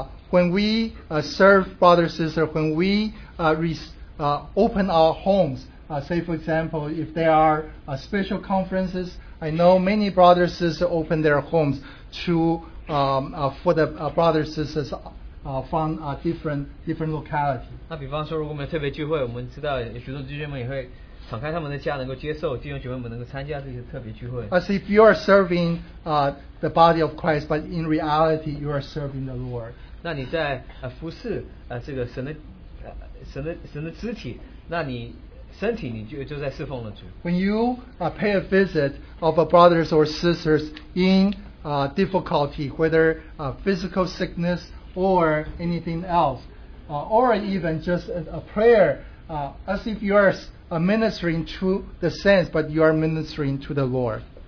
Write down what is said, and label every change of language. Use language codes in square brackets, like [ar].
[en] When we serve brothers and sisters, when we open our homes, say for example, if there are special conferences. I know many brothers and sisters open their homes to for the brothers and sisters from different locality. [zh] 那比方说，如果我们特别聚会，我们知道许多弟兄姐妹也会敞开他们的家，能够接受弟兄姐妹们能够参加这些特别聚会。 [en] As if you are serving the body of Christ, but in reality you are serving the Lord. [zh] 那你在服侍这个神的肢体，那你。 [en] When you pay a visit of a brothers or sisters in difficulty, whether physical sickness or anything else, or even just a prayer, as if you are ministering to the saints, but you are ministering to the Lord.